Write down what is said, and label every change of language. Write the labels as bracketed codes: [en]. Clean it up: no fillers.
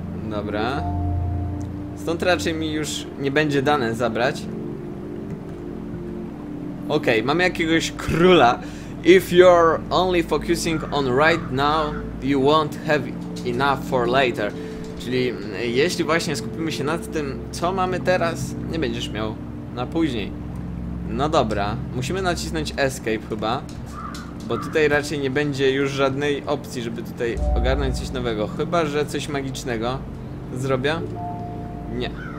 [pl] Dobra. Stąd raczej mi już nie będzie dane zabrać. Okej, mamy jakiegoś króla. [en] If you're only focusing on right now, you won't have enough for later. [pl] Czyli jeśli właśnie skupimy się nad tym, co mamy teraz, nie będziesz miał na później. No dobra, musimy nacisnąć escape chyba, bo tutaj raczej nie będzie już żadnej opcji, żeby tutaj ogarnąć coś nowego. Chyba że coś magicznego zrobię. Nie.